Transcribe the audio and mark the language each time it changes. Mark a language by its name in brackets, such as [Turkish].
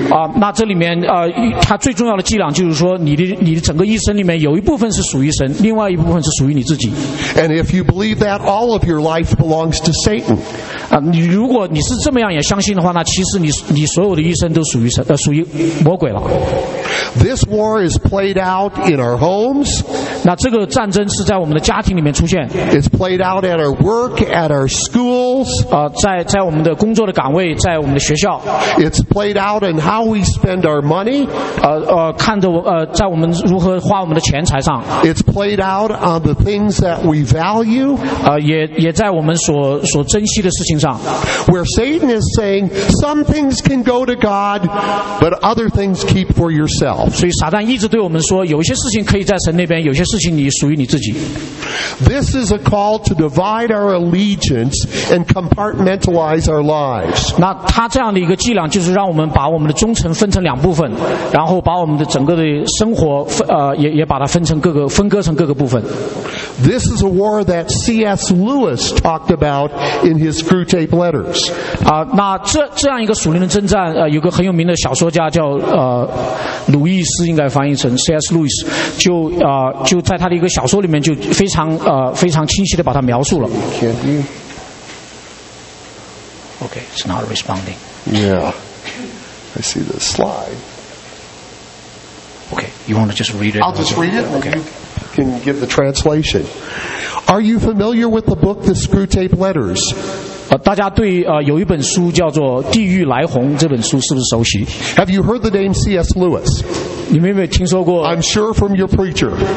[Chinese] 啊，那这里面它最重要的伎俩就是说，你的整个一生里面有一部分是属于神，另外一部分是属于你自己。 [English] And if you believe that, all of your life belongs to Satan. [Chinese] 啊，你如果你是这么样也相信的话，那其实你所有的一生都属于神，属于魔鬼了。 [English] This war is played out in our homes. [Chinese] 那这个战争是在我们的家庭里面出现。 [English] It's played out. At our work, at our schools, [Chinese] 在我们的工作的岗位，在我们的学校。 [English] It's played out in how we spend our money, [Chinese] 看着在我们如何花我们的钱财上。 [English] It's played out on the things that we value, [Chinese] 也在我们所珍惜的事情上。 [English] Where Satan is saying some things can go to God, but other things keep for yourself. [Chinese] 所以撒旦一直对我们说，有些事情可以在神那边，有些事情你属于你自己。 [English] This is a call to divide our allegiance and compartmentalize our lives. [Chinese] 那他这样的一个伎俩就是让我们把我们的忠诚分成两部分，然后把我们的整个的生活也把它分割成各个部分。 [English] This is a war that C.S. Lewis talked about in his Screwtape Letters. [Chinese] 那这样一个属灵的征战，有个很有名的小说家叫鲁伊斯，应该翻译成 C.S. Lewis， 就在他的一个小说里面就非常清晰的把它描述了。 [English] Can you? Okay, it's not responding. Yeah, I see the slide. Okay, you want to just read it? I'll just read it. Okay. Can give the translation. Are you familiar with the book, The Screwtape Letters? [Chinese] 大家对有一本书叫做《地狱来鸿》这本书是不是熟悉 [English] ？Have you heard the name C.S. Lewis? [Chinese] 你们有没有听说过 [English] ？I'm sure from your preacher.